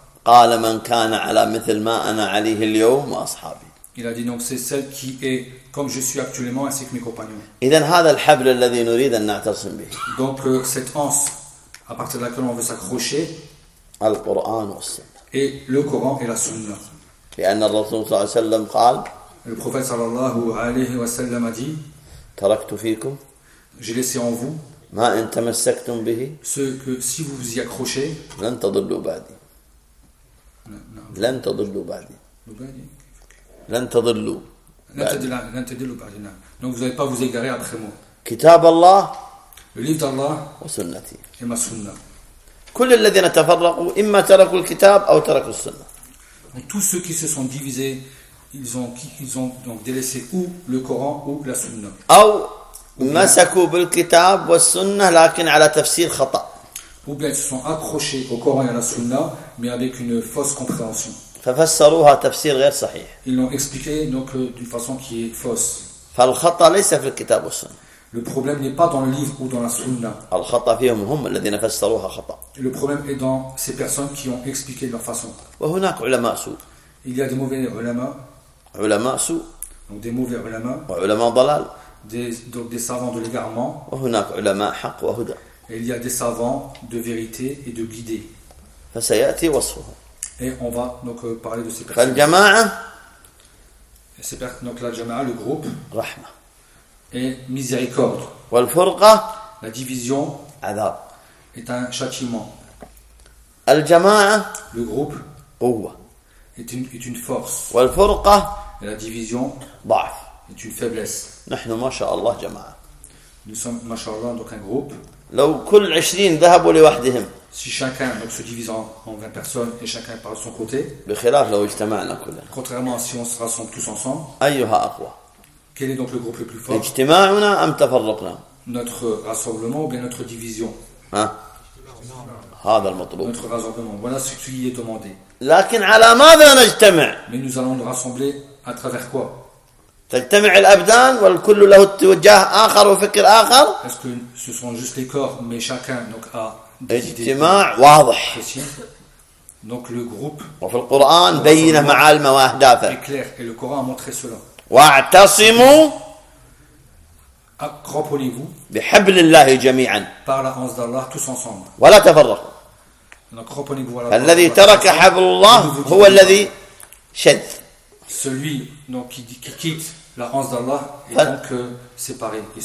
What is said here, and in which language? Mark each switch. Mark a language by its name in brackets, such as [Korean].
[Arabic] قال من كان على مثل ما أنا عليه اليوم وأصحابي [French] Il a dit donc c'est celle qui est comme je suis actuellement ainsi que mes compagnons. [Arabic] إذن هذا الحبل الذي نريد أن نعتصم به. [French] Donc cette anse à partir de laquelle on veut s'accrocher. [Arabic] القرآن والسنة. [French] Et le Coran et la Sunna. [Arabic] لأن الرسول صلى الله عليه وسلم قال. [French] Le prophète [Arabic] صلى الله عليه وسلم [French] a dit. [Arabic] تركت فيكم. [French] J'ai laissé en vous. [Arabic] ما إن تمسكتم به. [French] Ce que si vous vous y accrochez. [Arabic] لن تضلوا بعدي. لن تضلوا بعدي. لن تضلوا. لن تضلوا بعد نعم. [French] Donc vous n'allez pas vous égarer après moi. [Arabic] كتاب الله. [French] Le livre d'Allah. [Arabic] وسنتي. [French] Et ma sunna. [Arabic] كل الذين تفرقوا إما تركوا الكتاب أو تركوا السنة. [French] Donc tous ceux qui se sont divisés, ils ont donc délaissé ou le Coran ou la sunna. [Arabic] أو مسكوا بالكتاب والسنة لكن على تفسير خطأ. [French] Ou bien ils se sont accrochés au Coran et à la sunna mais avec une fausse compréhension. [Arabic] ففسروها تفسير غير صحيح. [French] Ils l'ont expliqué donc d'une façon qui est fausse. [Arabic] فالخطأ ليس في الكتاب والسنة. [French] Le problème n'est pas dans le livre ou dans la sunna. [Arabic] الخطأ فيهم هم الذين فسروها خطأ. [French] Le problème est dans ces personnes qui ont expliqué de leur façon. [Arabic] وهناك علماء سوء. [French] Il y a des mauvais ulama. [Arabic] علماء سوء. [French] Donc des mauvais ulama. [Arabic] وعلماء ضلال. [French] Des savants de l'égarement. [Arabic] وهناك علماء حق وهدى. [French] Et il y a des savants de vérité et de guidés. [Arabic] فسيأتي وصفه. [French] Et on va donc parler de ces personnes. فالجماعة. Donc la jama'a, le groupe. [Arabic] رحمة. [French] Et miséricorde. [Arabic] والفرقة. [French] La division. [Arabic] عذاب. [French] Est un châtiment. [Arabic] الجماعة. [French] Le groupe. [Arabic] قوة. [French] Est une force. [Arabic] والفرقة. [French] Et la division. [Arabic] ضعف. [French] Est une faiblesse. [Arabic] نحن ما شاء الله جماعة. [French] Nous sommes ما شاء الله donc un groupe. [Arabic] لو كل عشرين ذهبوا لوحدهم. [French] Si chacun donc se divise en 20 personnes et chacun part de son côté. [Arabic] بخلاف لو اجتمعنا كلنا. [French] Contrairement si on se rassemble tous ensemble. [Arabic] أيها أقوى. [French] Quel est donc le groupe le plus fort? [Arabic] اجتماعنا أم تفرقنا. [French] Notre rassemblement ou bien notre division. [Arabic] Hein? هذا المطلوب. [French] Notre rassemblement. Voilà ce qui est demandé. [Arabic] لكن على ماذا نجتمع? [French] Mais nous allons nous rassembler à travers quoi? [Arabic] تجتمع الأبدان والكل له توجه آخر وفكر آخر. [French] Est-ce que ce sont juste les corps, mais chacun donc a des اجتماع idées واضح. Donc le groupe. [Arabic] وفي القرآن بين معالمه وأهدافه. [French] Est clair et le Coran a montré cela. [Arabic] واعتصموا. [French] Accroupissez-vous. [Arabic] بحبل الله جميعا. [French] Par la hanse d'Allah tous ensemble. [Arabic] ولا تفرقوا. [French] Accroupissez-vous. [Arabic] الذي ترك حبل الله هو الذي شذ. [French] Celui donc, qui quitte la hanse d'Allah est donc séparé.